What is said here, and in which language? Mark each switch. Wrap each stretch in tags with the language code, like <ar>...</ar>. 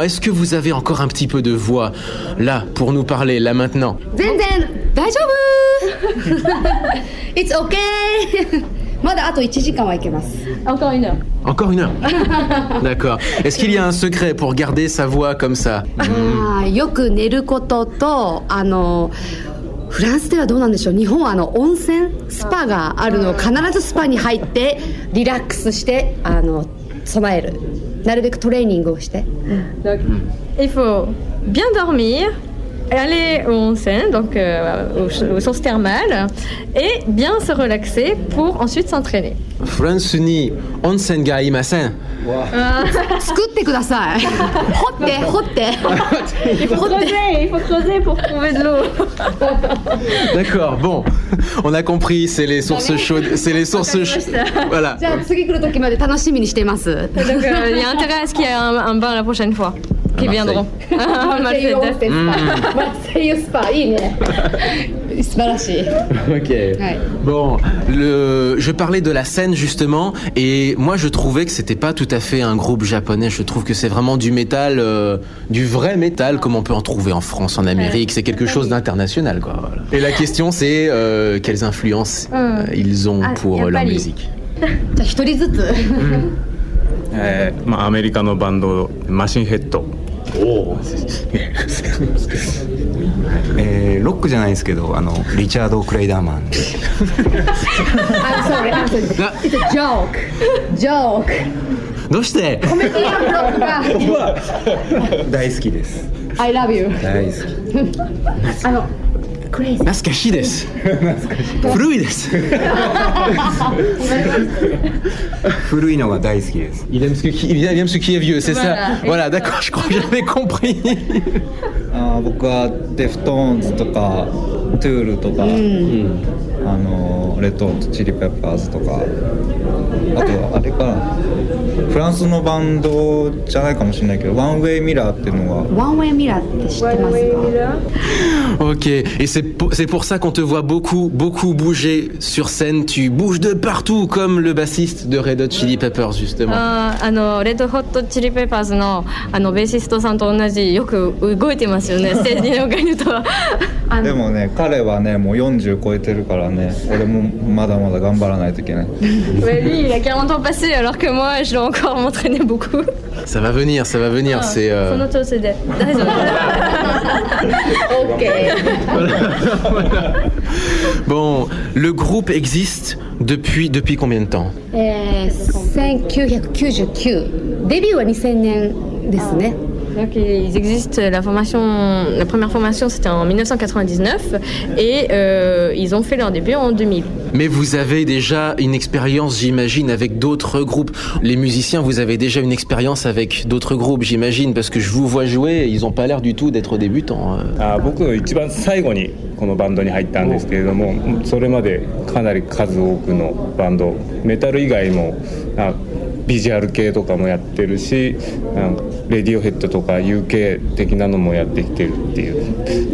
<fr>Est-ce que vous avez encore un petit peu de voix là pour nous parler là maintenant?</fr> <ja>Zenzen, daijoubu.</ja> <en>It's okay.</en> <ja>Mada ato 1 jikan wa ikemasu.</ja> <fr>Encore une heure. Encore une heure. D'accord. Est-ce qu'il y a un secret pour garder sa voix comme ça?</fr> <ja>Ah, yoku neru koto to ano France ではどうなんでしょう。日本はあの温泉スパがあるのを必ずスパに入ってリラックスしてあの備える。なるべくトレーニングをして。</ja> <fr>Donc, il faut bien dormir, aller au onsen, donc au sens thermal, et bien se relaxer pour ensuite s'entraîner.</fr> <ja>France に温泉がいません。作ってください。掘って掘って。</ja> <fr>Il faut creuser pour trouver de l'eau. D'accord. Bon, on a compris. C'est les sources chaudes. C'est les sources. Voilà. Donc, il y a intérêt à ce qu'il y ait un bain la prochaine fois. Qui viendront. Marseille spa. Marseille spa. Ok. Bon, je parlais de la scène justement, et moi je trouvais que c'était pas tout à fait un groupe japonais. Je trouve que c'est vraiment du métal, du vrai métal, comme on peut en trouver en France, en Amérique. C'est quelque chose d'international, quoi. Voilà. Et la question, c'est quelles influences ils ont pour leur musique.</fr> <en>American band Machine Head. Oh.</en> <ja>ロックじゃないですけど、あのリチャード・クレイダーマン。</ja> <en>I'm sorry. It's a joke. Joke.</en> <ja>どうして？コメディアンロックが。大好きです。</ja> <en>I love you.</en> <ja>大好き。あの。懐かしいです。古いです。古いのが大好きです。</ja> <fr>Il aime ce qui est vieux, c'est voilà. ça. Voilà, voilà, d'accord, je crois que j'avais compris.</fr> <ja>僕はDeftonesとか Tool とか、あのレッドホットチリペッパーズとか、あとあれかな、フランスのバンドじゃないかもしれないけど、ワンウェイミラーっていうのは。ワンウェイミラーって知ってますか？</ja> <fr>Ok, et c'est pour ça qu'on te voit beaucoup, beaucoup bouger sur scène. Tu bouges de partout, comme le bassiste de Red Hot Chili Peppers, justement. Red Hot Chili Peppers, non, bassiste, ça, tu as dit,</fr> <ja>よく動いてますよね、ステージに置かれると。でもね、彼はね、もう40超えてるからね、俺もまだまだ頑張らないといけない。</ja> <fr>Mais lui, il a 40 ans passé, alors que moi, je l'ai encore entraîné beaucoup. Ça va venir, ça va venir. Ah, c'est,</fr> <ja>その調子で。大丈夫。</ja> <fr>Bon, le groupe existe depuis combien de temps? 1999. Début de 2000. Donc ils existent. La première formation, c'était en 1999, et ils ont fait leur début en 2000. Mais vous avez déjà une expérience, j'imagine, avec d'autres groupes. Les musiciens, vous avez déjà une expérience avec d'autres groupes, j'imagine, parce que je vous vois jouer, ils n'ont pas l'air du tout d'être débutants.</fr> <ja>Ah, 僕は一番最後にこのバンドに入ったんですけれども、それまでかなり数多くのバンド、メタル以外もビジュアル系とかもやってるし、なんかレディオヘッドとか UK 的なのもやってきてるっていう。</ja>